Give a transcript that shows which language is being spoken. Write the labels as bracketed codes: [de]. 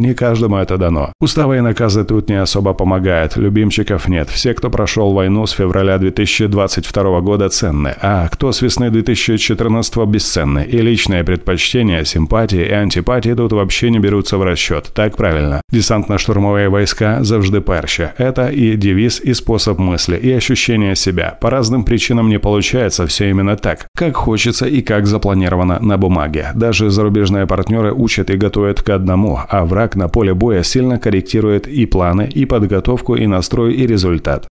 [ru] Не каждому это дано. Уставы и наказы тут не особо помогают. Любимчиков нет. Все, кто прошел войну с февраля 2022 года, ценны. А кто с весны 2014 бесценны. И личные предпочтения, симпатии и антипатии тут вообще не берутся в расчет. Так правильно. [uk] Десантно-штурмовые войска завжди перші. [ru] Это и девиз, и способ мысли, и ощущение себя. По разным причинам не получается все именно так, как хочется и как запланировано на бумаге. Даже зарубежные партнеры учат и готовят к одному, а враг на поле боя сильно корректирует и планы, и подготовку, и настрой, и результат.